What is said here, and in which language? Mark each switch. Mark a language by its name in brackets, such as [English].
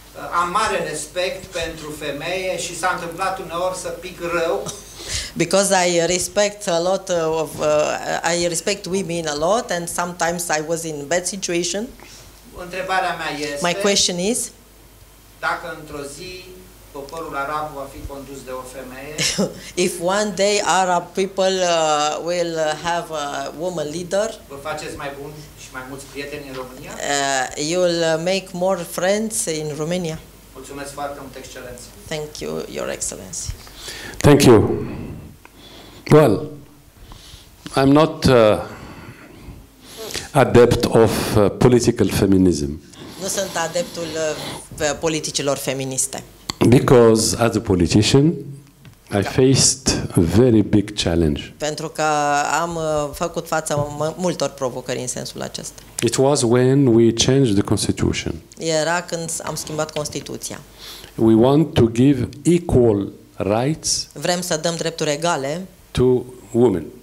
[Romanian] Am mare respect pentru femei și s-a întâmplat uneori să pic rău. [English] Because I respect a lot of I respect women a lot and sometimes I was in bad situation. [Romanian] Întrebarea mea este, [English] my question is, [Romanian] dacă într-o zi poporul arab va fi condus de o femeie, [English] if one day Arab people will have a woman leader, [Romanian] vă faceți mai buni și mai mulți prieteni în România? [English] You'll make more friends in Romania. [Romanian] Mulțumesc foarte mult, excelență. [English] Thank you, your excellency. Thank you. Well, I'm not adept of political feminism. [Romanian] Nu sunt adeptul politicilor feministe. [English] Because as a politician, I faced a very big challenge. [Romanian] Pentru că am făcut față multor provocări în sensul acesta. [English] It was when we changed the constitution. [Romanian] Era când am schimbat constituția. [English] We want to give equal rights. [Romanian] Vrem să dăm drepturi egale [English] to women.